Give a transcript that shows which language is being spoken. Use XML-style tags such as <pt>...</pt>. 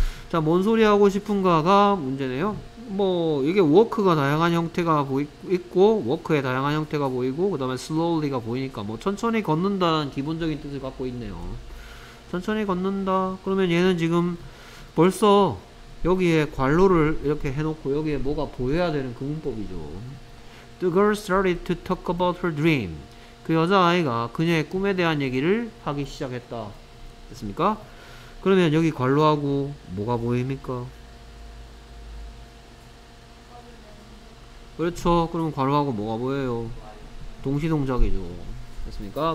<ko>자 뭔 소리 하고 싶은가가 문제네요 뭐 이게 워크가 다양한 형태가 있고 워크의 다양한 형태가 보이고 그 다음에 슬로울리가 보이니까 뭐 천천히 걷는다는 기본적인 뜻을 갖고 있네요 천천히 걷는다 그러면 얘는 지금 벌써 여기에 관로를 이렇게 해놓고 여기에 뭐가 보여야 되는 그 문법이죠.</ko> <en>The girl started to talk about her dream.</en> <ko>그 여자아이가 그녀의 꿈에 대한 얘기를 하기 시작했다. 됐습니까? 그러면 여기 관로하고 뭐가 보입니까? 그렇죠. 그러면 관로하고 뭐가 보여요? 동시동작이죠. 됐습니까?</ko>